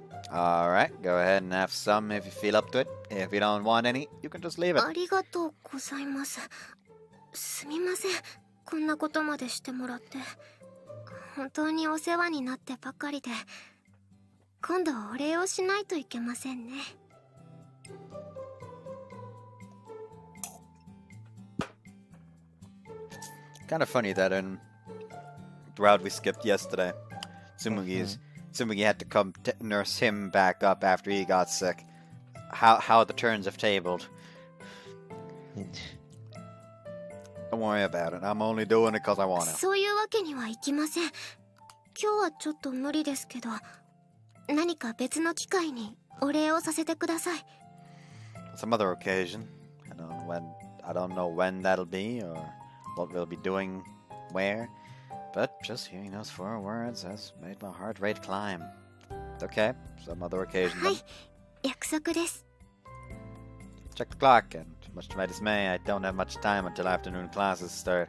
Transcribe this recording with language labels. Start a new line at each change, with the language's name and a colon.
English: Alright, go ahead and have some if you feel up to it. If you don't want any, you can just leave it.
Japanese: ありがとうございます.すみません. こんなことまでしてもらって本当にお世話になってばかりで今度はお礼をしないといけませんね。
English: kind of funny that in the route we skipped yesterday, Tsumugi had to come nurse him back up after he got sick. How the turns have tabled. Don't worry about it. I'm only doing it because I want to.
Japanese: そういうわけにはいきません。今日はちょっと無理ですけど、何か別の機会にお礼をさせてください。
English: Some other occasion. I don't know when that'll be or what we'll be doing where. But just hearing those four words has made my heart rate climb. Okay, some other occasion.
Japanese: はい、約束です。
English: Check the clock, and much to my dismay, I don't have much time until afternoon classes start.